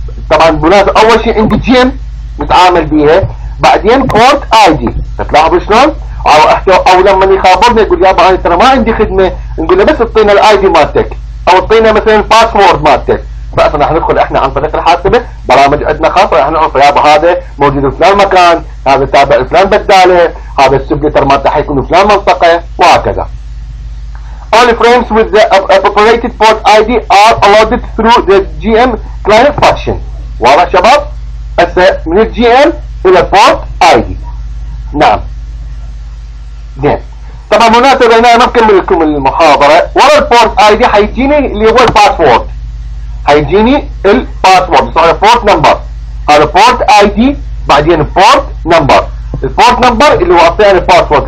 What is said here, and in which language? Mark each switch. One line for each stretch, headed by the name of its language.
Arabic: طبعا بناس اول شيء عندي جيم متعامل بيها، بعدين بورت اي دي، تلاحظوا شلون؟ او لما يخابرني يقول يا بعاني ترى ما عندي خدمه، نقول له بس اعطينا الاي دي مالتك او اعطينا مثلا الباسورد مالتك. بس راح ندخل احنا عن طريق الحاسبه برامج عندنا خاصه، راح نعرف يا هذا موجود في فلان مكان، هذا تابع فلان بداله، هذا السبليتر مالته حيكون في فلان منطقه وهكذا.
English: All frames with the appropriated port ID are allowed through the GM client function.
Arabic: ورا شباب هسه من الجي ام الى port ID. نعم زين. طبعا مناسبه هنا ما نكمل لكم المحاضره، ورا البورت اي دي حيجيني اللي هو الباسورد، هيجيني الباسورد صار بورت نمبر، هذا بورت اي دي، بعدين بورت نمبر، البورت نمبر اللي هو اعطيني الباسورد.